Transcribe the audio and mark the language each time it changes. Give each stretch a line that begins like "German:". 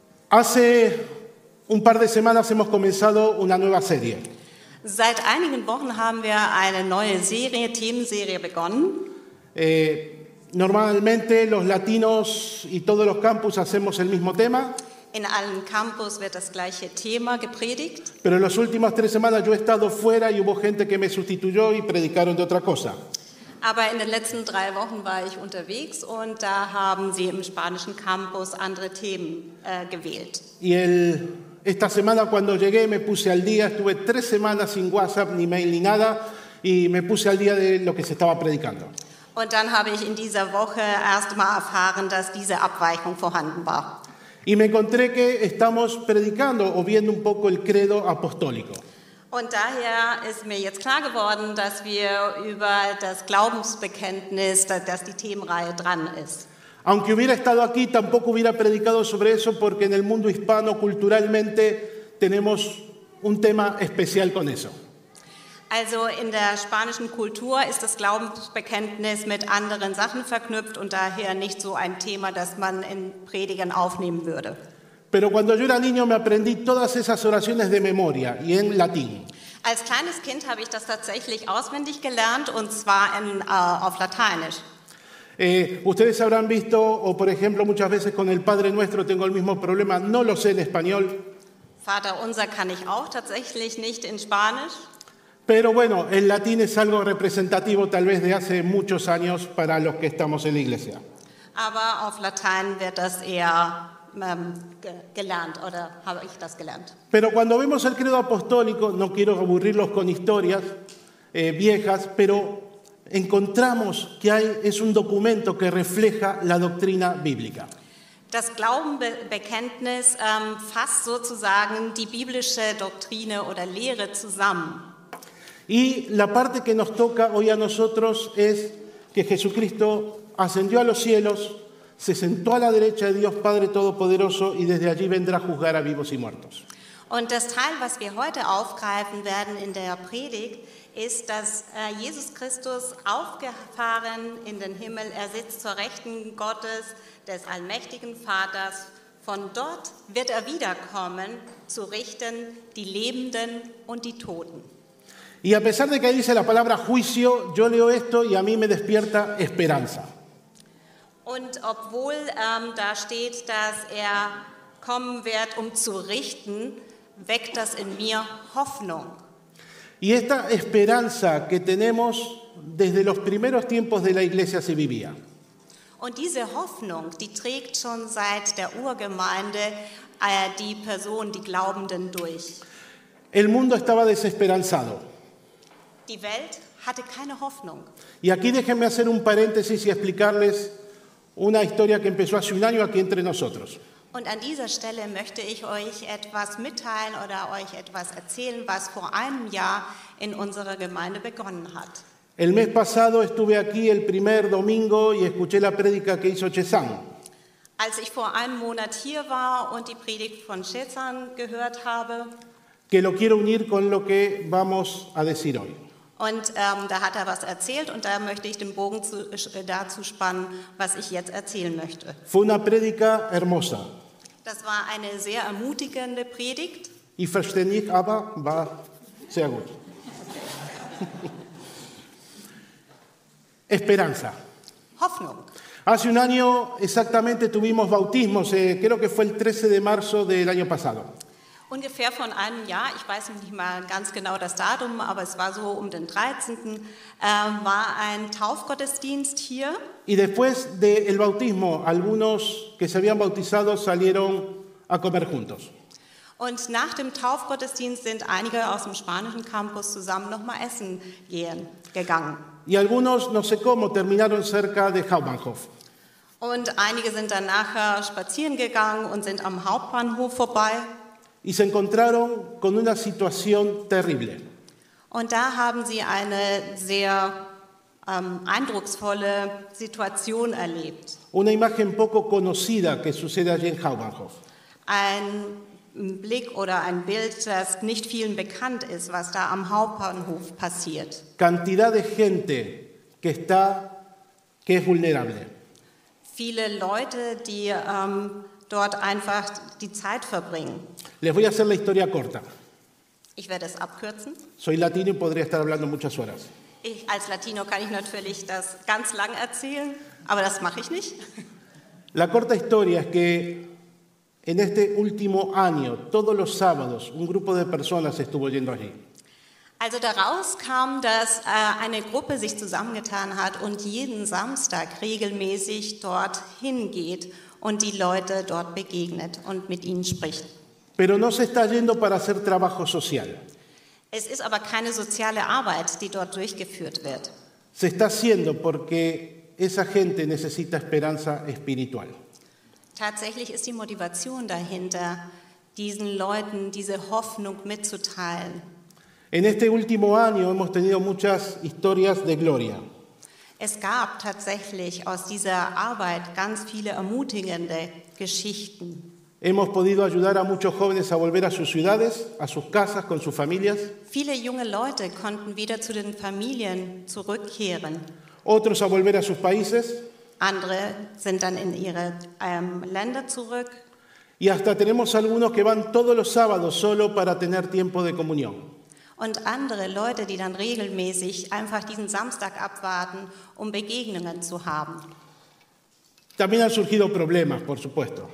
Spanish: Hace un par de semanas hemos comenzado una nueva serie.
German: Seit einigen Wochen haben wir eine neue Serie, Themenserie begonnen.
Spanish: Normalmente los latinos y todos los campus hacemos el mismo tema.
German: In allen Campus wird das gleiche Thema gepredigt.
Spanish: Pero en las últimas tres semanas yo he estado fuera y hubo gente que me sustituyó y predicaron de otra cosa.
German: Aber in den letzten drei Wochen war ich unterwegs und da haben sie im spanischen Campus andere Themen gewählt.
Spanish: Y esta semana cuando llegué me puse al día, estuve tres semanas sin WhatsApp, ni mail, ni nada y me puse al día de lo que se estaba predicando.
German: Und dann habe ich in dieser Woche erst mal erfahren, dass diese Abweichung vorhanden war.
Spanish: Y me encontré que estamos predicando o viendo un poco el credo apostólico.
German: Und daher ist mir jetzt klar geworden, dass wir über das Glaubensbekenntnis, dass die Themenreihe dran ist.
Spanish: Aunque hubiera estado aquí, tampoco hubiera predicado sobre eso, porque en el mundo hispano culturalmente tenemos un tema especial con eso.
German: Also in der spanischen Kultur ist das Glaubensbekenntnis mit anderen Sachen verknüpft und daher nicht so ein Thema, das man in Predigen aufnehmen würde.
Spanish: Pero cuando yo era niño me aprendí todas esas oraciones de memoria y en latín.
German: Als kleines Kind habe ich das tatsächlich auswendig gelernt und zwar auf Lateinisch.
Spanish: Ustedes habrán visto, o por ejemplo muchas veces con el Padre Nuestro tengo el mismo problema, no lo sé en español.
German: Vater Unser kann ich auch tatsächlich nicht in Spanisch.
Spanish: Pero bueno, el latín es algo representativo tal vez de hace muchos años para los que estamos en la iglesia.
German: Aber auf Latein wird das eher gelernt oder habe ich das gelernt.
Spanish: Pero cuando vemos el credo apostólico, no quiero aburrirlos con historias viejas, pero encontramos que hay es un documento que refleja la doctrina bíblica.
German: Das Glaubensbekenntnis fasst sozusagen die biblische Doktrine oder Lehre zusammen.
Spanish: Y la parte que nos toca hoy a nosotros es que Jesucristo ascendió a los cielos, se sentó a la derecha de Dios Padre Todopoderoso y desde allí vendrá a juzgar a vivos y muertos.
German: Und das Teil, was wir heute aufgreifen werden in der Predigt, ist, dass Jesus Christus aufgefahren in den Himmel, er sitzt zur Rechten Gottes, des allmächtigen Vaters. Von dort wird er wiederkommen, zu richten die Lebenden und die Toten.
Spanish: Y a pesar de que dice la palabra juicio, yo leo esto y a mí me despierta esperanza.
German: Und obwohl da steht, dass er kommen wird, um zu richten, weckt das in mir Hoffnung.
Spanish: Y esta esperanza que tenemos desde los primeros tiempos de la iglesia se vivía.
German: Und diese Hoffnung, die trägt schon seit der Urgemeinde die Person, die Glaubenden durch.
Spanish: El mundo estaba desesperanzado.
German: Die Welt hatte keine Hoffnung.
Spanish: Y aquí déjenme hacer un paréntesis y explicarles una historia que empezó hace un año aquí entre nosotros.
German: Und an dieser Stelle möchte ich euch etwas mitteilen oder euch etwas erzählen, was vor einem Jahr in unserer Gemeinde begonnen hat.
Spanish: El mes pasado estuve aquí el primer domingo y escuché la prédica que hizo Chesan.
German: Als ich vor einem Monat hier war und die Predigt von Chesan gehört habe,
Spanish: que lo quiero unir con lo que vamos a decir hoy.
German: Und da hat er was erzählt und da möchte ich den Bogen dazu spannen, was ich jetzt erzählen möchte.
Spanish: Fue una predica hermosa.
German: Das war eine sehr ermutigende Predigt. Y verständlich, aber war sehr gut.
Spanish: Esperanza.
German: Hoffnung.
Spanish: Hace un año exactamente tuvimos bautismos, creo que fue el 13 de marzo del año pasado.
German: Ungefähr von einem Jahr, ich weiß nicht mal ganz genau das Datum, aber es war so um den 13. War ein Taufgottesdienst hier.
Spanish: Y después del bautismo, algunos que se habían bautizado salieron a comer juntos.
German: Und nach dem Taufgottesdienst sind einige aus dem spanischen Campus zusammen noch mal essen gegangen.
Spanish: Y algunos, no sé cómo, terminaron cerca de Hauptbahnhof.
German: Und einige sind dann nachher spazieren gegangen und sind am Hauptbahnhof vorbei.
Spanish: Y se encontraron con una situación terrible.
German: Und da haben sie eine sehr eindrucksvolle Situation erlebt.
Spanish: Una imagen poco conocida que sucede allí en Hauptbahnhof.
German: Ein Blick oder ein Bild, das nicht vielen bekannt ist, was da am Hauptbahnhof passiert.
Spanish: Cantidad de gente que está, que es vulnerable.
German: Viele Leute, die dort einfach die Zeit verbringen.
Spanish: Les voy a hacer la historia corta.
German: Ich werde es abkürzen.
Spanish: Soy latino y podría estar hablando muchas horas.
German: Ich, als Latino kann ich natürlich das ganz lang erzählen, aber das mache ich nicht.
Spanish: La corta historia es que en este último año, todos los sábados, un grupo de personas estuvo yendo allí.
German: Also daraus kam, dass eine Gruppe sich zusammengetan hat und jeden Samstag regelmäßig dorthin geht und die Leute dort begegnet und mit ihnen spricht.
Spanish: Pero no se está yendo para hacer trabajo social.
German: Es ist aber keine soziale Arbeit, die dort durchgeführt wird.
Spanish: Se está haciendo porque esa gente necesita esperanza espiritual.
German: Tatsächlich ist die Motivation dahinter, diesen Leuten diese Hoffnung mitzuteilen.
Spanish: En este último año hemos tenido muchas historias de gloria.
German: Es gab tatsächlich aus dieser Arbeit ganz viele ermutigende Geschichten.
Spanish: Hemos podido ayudar a muchos jóvenes a volver a sus ciudades, a sus casas, con sus familias.
German: Viele junge Leute konnten wieder zu den Familien zurückkehren.
Spanish: Otros a volver a sus países.
German: Andere sind dann in ihre Länder zurück.
Spanish: Y hasta tenemos algunos que van todos los sábados solo para tener tiempo de comunión.
German: Und andere Leute, die dann regelmäßig einfach diesen Samstag abwarten, um Begegnungen zu haben.
Spanish: También han surgido problemas, por supuesto.